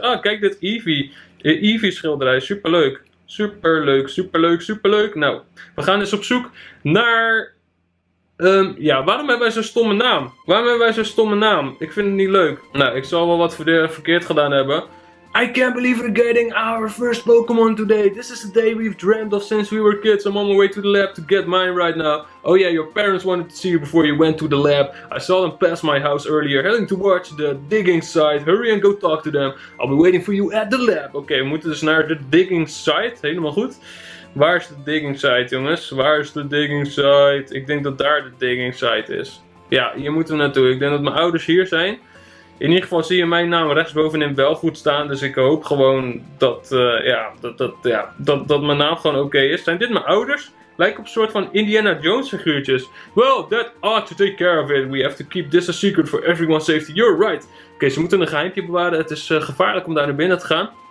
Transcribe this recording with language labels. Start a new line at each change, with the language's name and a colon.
Dutch: Ah, kijk dit Eevee. Eevee schilderij, superleuk. Superleuk, superleuk, superleuk. Nou, we gaan eens op zoek naar... waarom hebben wij zo'n stomme naam? Ik vind het niet leuk. Nou, ik zal wel wat verkeerd gedaan hebben.
English: I can't believe we're getting our first Pokémon today. This is the day we've dreamt of since we were kids. I'm on my way to the lab to get mine right now. Oh yeah, your parents wanted to see you before you went to the lab. I saw them pass my house earlier, heading towards the digging site. Hurry and go talk to them. I'll be waiting for you at the lab.
Dutch: Oké, we moeten dus naar de digging site. Helemaal goed. Waar is de digging site, jongens? Waar is de digging site? Ik denk dat daar de digging site is. Ja, hier moeten we naartoe. Ik denk dat mijn ouders hier zijn. In ieder geval zie je mijn naam rechtsbovenin wel goed staan. Dus ik hoop gewoon dat mijn naam gewoon oké is. Zijn dit mijn ouders? Lijken op een soort van Indiana Jones figuurtjes.
English: Well, that ought to take care of it. We have to keep this a secret for everyone's safety. You're right.
Dutch: Oké, ze moeten een geheimtje bewaren. Het is gevaarlijk om daar naar binnen te gaan.